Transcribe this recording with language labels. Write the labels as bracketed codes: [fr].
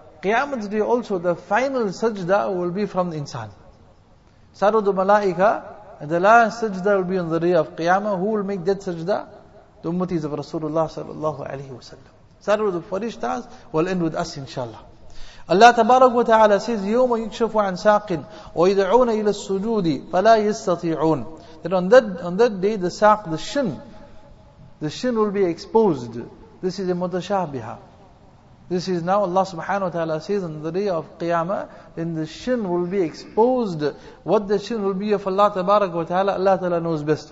[en] Qiyamah's day also, the final sajda will be from the insan. Start with the malaika, and the last sajda will be on the day of Qiyamah. Who will make that sajda? The ummatis of Rasulullah sallallahu alayhi wa sallam. Start with the farishtas, will end with us inshallah. Allah tabarak wa ta'ala says, [ar] يَوْمَ يُكْشَفُ عَنْ سَاقٍ وَيَدْعُونَ إِلَى السُّجُودِ فَلَا يَسْتَطِعُونَ. [en] That on that day, the saq, the shin will be exposed. This is a mutashabiha. This is now Allah subhanahu wa ta'ala says on the day of Qiyamah, then the shin will be exposed. What the shin will be of Allah tabarak wa ta'ala, Allah ta'ala knows best.